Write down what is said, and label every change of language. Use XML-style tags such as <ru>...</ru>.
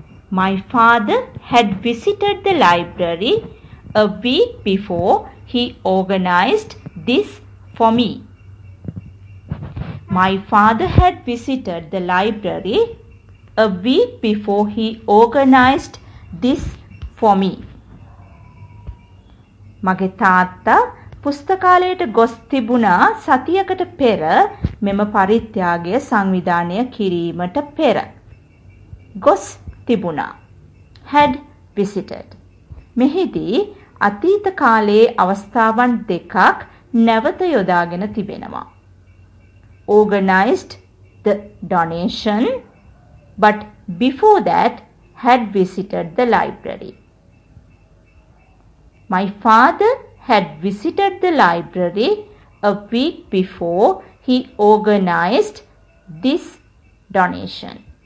<en>My father had visited the library a week before he organized this for me. My father had visited the library a week before he organized this for me.</en> <si>මගේ තාත්තා පුස්තකාලයට ගොස් තිබුණා සතියකට පෙර මෙම පරිත්‍යාගය සංවිධානය කිරීමට පෙර. ගොස් තිබුණා.</si> <en>Had visited.</en> <si>මෙහිදී අතීත කාලයේ අවස්ථාවන් දෙකක් නැවත යොදාගෙන තිබෙනවා.</si> <en>Organized the donation, but before that had visited the library. My father had visited the library a week before he organized this donation.</en>